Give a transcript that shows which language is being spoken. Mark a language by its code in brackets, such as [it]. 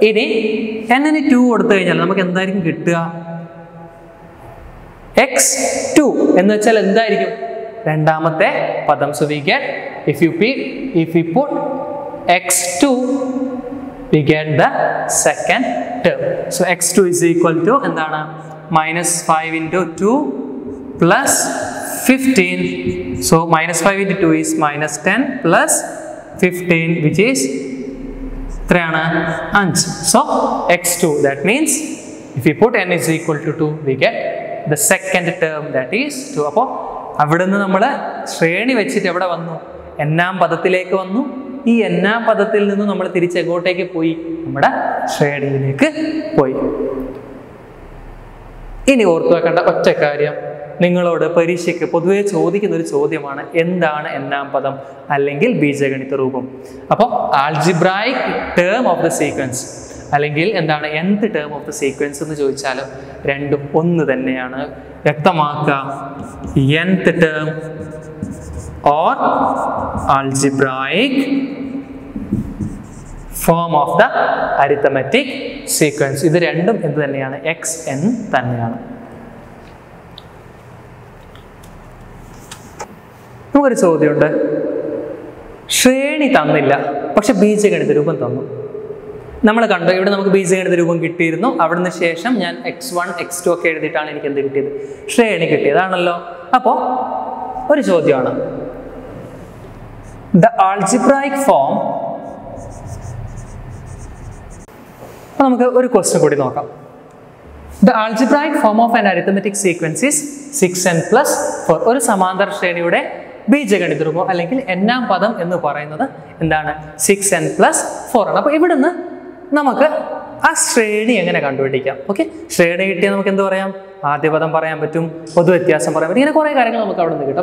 [ml] ഇനി എന്നെ 2 കൊടുത്തു കഴിഞ്ഞാൽ നമുക്ക് എന്തായിരിക്കും കിട്ടുക? എക്സ് 2 എന്ന് വെച്ചാൽ എന്തായിരിക്കും? രണ്ടാമത്തെ പദം. [en] So we get, if you put x 2, we get the second term. So x2 is equal to endana minus 5 into 2 plus 15. So minus 5 into 2 is minus 10 plus 15, which is 5. So x2, that means if we put n is equal to 2, we get the second term, that is 2. [ml] Appo avadunna nammale sreeni vechittu evada vannu ennam padathilekku vannu. ഈ എന്നാ പദത്തിൽ നിന്നും നമ്മൾ തിരിച്ച് എങ്ങോട്ടേക്ക് പോയി? നമ്മുടെ ശ്രേണിയിലേക്ക് പോയി. ഇനി ഓർത്തു വെക്കേണ്ട ഒറ്റ കാര്യം, നിങ്ങളോട് പരീക്ഷയ്ക്ക് പൊതുവെ ചോദിക്കുന്ന ഒരു ചോദ്യമാണ്, എന്താണ് എന്നാം പദം അല്ലെങ്കിൽ ബീജഗണിത രൂപം? അപ്പോൾ [en] algebraic term of the sequence [ml] അല്ലെങ്കിൽ എന്താണ് [en] nth term of the sequence [ml] എന്ന് ചോദിച്ചാലും രണ്ടും ഒന്ന് തന്നെയാണ്. [en] വ്യക്തമാക്കാം, nth term or algebraic form of the arithmetic sequence. [ml] ഇത് രണ്ടും എന്ത് തന്നെയാണ്? എക്സ് എൻ തന്നെയാണ്. നമുക്കൊരു ചോദ്യമുണ്ട്, ശ്രേണി തന്നില്ല പക്ഷെ ബീജഗണിത രൂപം തന്നു. നമ്മൾ കണ്ടു ഇവിടെ നമുക്ക് ബീജഗണിത രൂപം കിട്ടിയിരുന്നു, അവിടുന്ന് ശേഷം ഞാൻ എക്സ് 1 എക്സ് 2 ഒക്കെ എഴുതിയിട്ടാണ് എനിക്ക് എന്ത് കിട്ടിയത്? ശ്രേണി കിട്ടിയതാണല്ലോ. അപ്പോൾ ഒരു ചോദ്യമാണ്, [en] the algebraic form. Now we have a question. The algebraic form of an arithmetic sequence is 6n plus 4. [ml] ഒരു സമാന്തര ശ്രേണിയുടെ ബീജഗണിത രൂപം അല്ലെങ്കിൽ എന്നാം പദം എന്ന് പറയുന്നത് എന്താണ്? 6n plus 4 ആണ്. അപ്പോൾ ഇവിടുന്ന് നമുക്ക് ആ ശ്രേണി എങ്ങനെ കണ്ടുപിടിക്കാം? ഓക്കെ, ശ്രേണി കിട്ടിയാൽ നമുക്ക് എന്ത് പറയാം? ആദ്യ പദം പറയാൻ പറ്റും, പൊതു വ്യത്യാസം പറയാൻ പറ്റും, ഇങ്ങനെ കുറേ കാര്യങ്ങൾ നമുക്ക് അവിടെ നിന്ന് കിട്ടും.